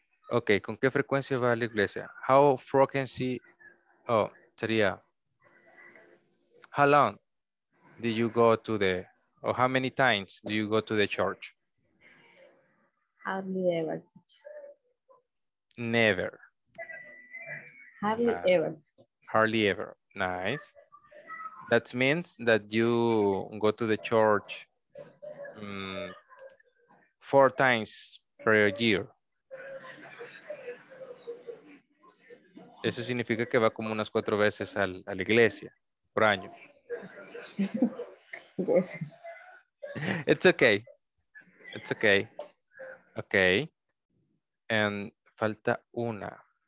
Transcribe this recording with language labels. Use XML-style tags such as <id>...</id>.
<es>Okay, ¿con qué frecuencia va a la iglesia?</es> <en>How frequency? How long do you go to the, or how many times do you go to the church? Hardly ever. Never. Hardly ever. Hardly ever. Nice. That means that you go to the church 4 times per year.</en> <es>Eso significa que va como unas 4 veces a la iglesia por año.</es> <en>Yes. It's okay. Okay. And</en> <es>falta una.</es>